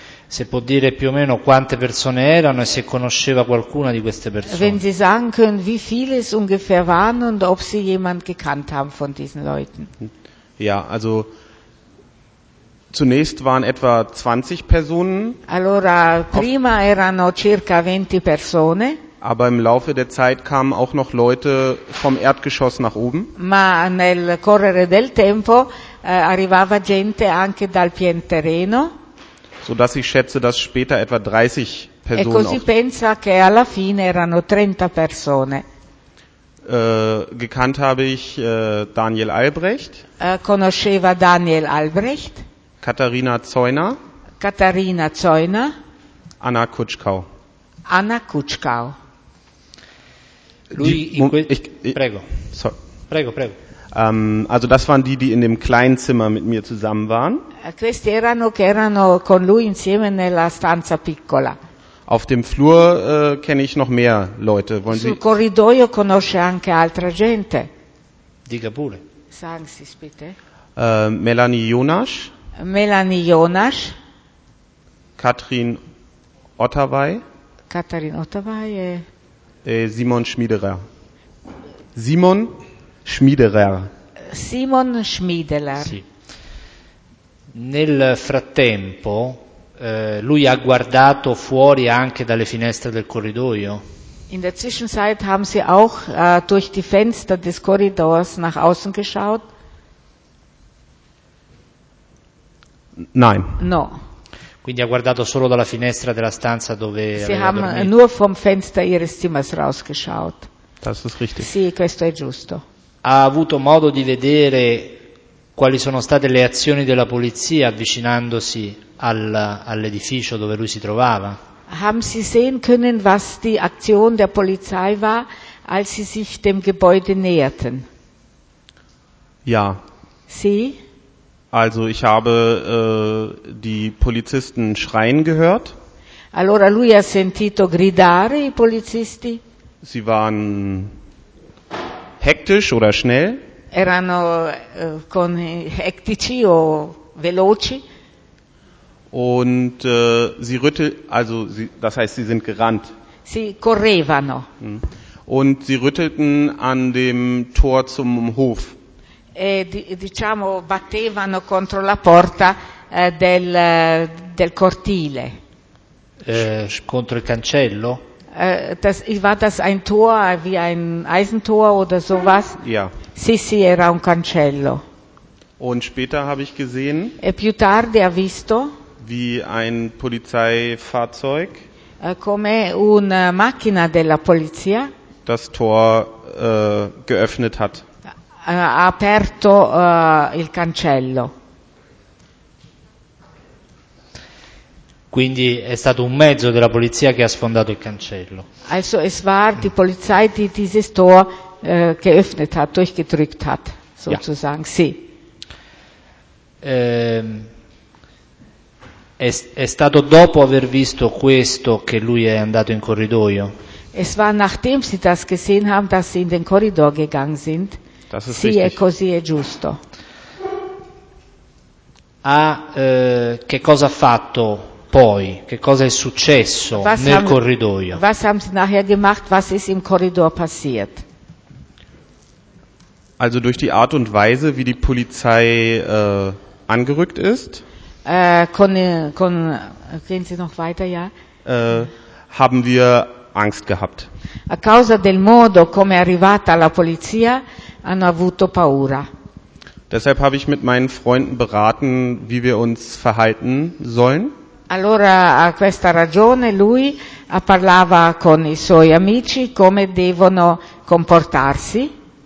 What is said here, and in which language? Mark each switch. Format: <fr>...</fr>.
<it>Se può dire più o meno quante persone erano e se conosceva qualcuna di queste persone.</it> <de>Wenn Sie sagen können, wie viele es ungefähr waren und ob Sie jemand gekannt haben von diesen Leuten. Ja, also zunächst waren etwa 20 Personen.</de> <it>Allora, prima erano circa 20 persone.</it> <de>Aber im Laufe der Zeit kamen auch noch Leute vom Erdgeschoss nach oben.</de> <it>Ma nel correre del tempo arrivava gente anche dal pian terreno.</it> <de>So dass ich schätze, dass später etwa 30 Personen.</de> <it>E così pensa che alla fine erano 30 persone.</it> <de>Gekannt habe ich Daniel Albrecht.</de> <it>Conosceva Daniel Albrecht.</it> <de>Katharina Zeuner.</de> <it>Katharina Zeuner.</it> <de>Anna Kutschkau.</de> <it>Anna Kutschkau. Lui, prego.</it> <en>Sorry.</en> <it>Prego, prego.</it> <de>Also das waren die, die in dem kleinen Zimmer mit mir zusammen waren.</de> <it>Questi erano che erano con lui insieme nella stanza piccola.</it> <de>Auf dem Flur kenne ich noch mehr Leute. Wollen</de> <it>Sul corridoio conosce anche altra gente. Dica pure.</it> <de>Sagen Sie es bitte. Melanie Jonas.</de> <it>Melanie Jonas.</it> <de>Katrin Ottawey.</de> <it>Katrin Ottawey.</it> <de>Simon Schmiederer. Simon Schmiederer.</de> <it>Simon Schmiederer. Sì. Nel frattempo, lui ha guardato fuori anche dalle finestre del corridoio.</it> <de>In der Zwischenzeit haben sie auch durch die Fenster des Korridors nach außen geschaut? Nein.</de> <it>No. Quindi ha guardato solo dalla finestra della stanza dove aveva dormito.</it> <de>Sie haben nur vom Fenster ihres Zimmers rausgeschaut. Das ist richtig.</de> <it>Sì, questo è giusto. Ha avuto modo di vedere quali sono state le azioni della polizia avvicinandosi all'edificio dove lui si trovava?</it> <de>Haben Sie sehen können, was die Aktion der Polizei war, als sie sich dem Gebäude näherten? Ja. Sie? Also ich habe die Polizisten schreien gehört.</de> <it>Allora lui ha sentito gridare i polizisti?</it> <de>Sie waren hektisch oder schnell?</de> <it>Erano con hektici o veloci?</it> <de>Und sie das heißt, sie sind gerannt.</de> <it>Sie correvano.</it> <de>Und sie rüttelten an dem Tor zum Hof.</de> <it>Diciamo battevano contro la porta del cortile. Contro il cancello?</it> <de>War das ein Tor wie ein Eisentor oder sowas? Ja.</de> <it>Sì, era un cancello.</it> <de>Und später habe ich gesehen.</de> <it>E più tardi ha visto.</it> <de>Wie ein Polizeifahrzeug.</de> <it>Come una macchina della polizia.</it> <de>Das Tor geöffnet hat.</de> <it>Ha aperto il cancello. Quindi è stato un mezzo della polizia che ha sfondato il cancello.</it> <de>Also es war die Polizei, die dieses Tor geöffnet hat, durchgedrückt hat, sozusagen. Ja.</de> <it>Sì. È stato dopo aver visto questo che lui è andato in corridoio.</it> <de>Es war nachdem sie das gesehen haben, dass sie in den Korridor gegangen sind. Das ist</de> <it>sì,</it> <de>richtig.</de> <it>È così, è giusto. Che cosa ha fatto poi? Che cosa è successo corridoio?</it> <de>Was haben sie nachher gemacht? Was ist im Korridor passiert? Also durch die Art und Weise, wie die Polizei angerückt ist. Gehen Sie noch weiter, ja? Haben wir Angst gehabt.</de> <it>A causa del modo come è arrivata la polizia, hanno avuto paura.</it> <de>Deshalb habe ich mit meinen Freunden beraten, wie wir uns verhalten sollen.</de> <it>Allora, a questa ragione, lui parlava con i suoi amici, come devono comportarsi.</it>